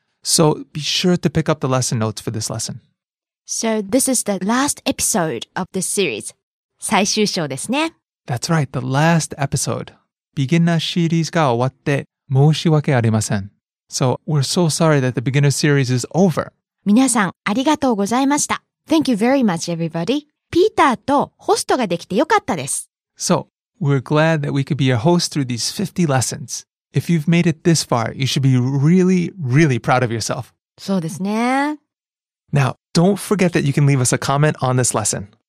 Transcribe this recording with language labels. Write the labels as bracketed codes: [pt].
[en] So, be sure to pick up the lesson notes for this lesson. So, this is the last episode of this series. [ja] 最終章ですね。 [en] That's right, the last episode. Beginner series [ja] が終わって申し訳ありません。 [en] So, we're so sorry that the beginner series is over. [ja] 皆さん、ありがとうございました。 [en] Thank you very much, everybody. [ja] ピーターとホストができてよかったです。 [en] So, we're glad that we could be your host through these 50 lessons. If you've made it this far, you should be really, really proud of yourself. [ja] そうですね。 [en] Now, don't forget that you can leave us a comment on this lesson.